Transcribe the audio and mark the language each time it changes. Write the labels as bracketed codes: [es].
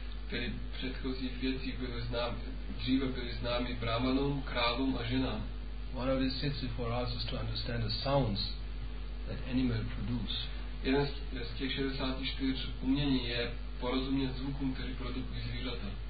[cs] Které předchozí věci byly známy, dříve byly známy brahmanům, králům a ženám. [en] One of these 64 arts is to understand the sounds that animal produce. [cs] Jeden z těch 64 umění je porozumět zvukům, který produkují zvířata.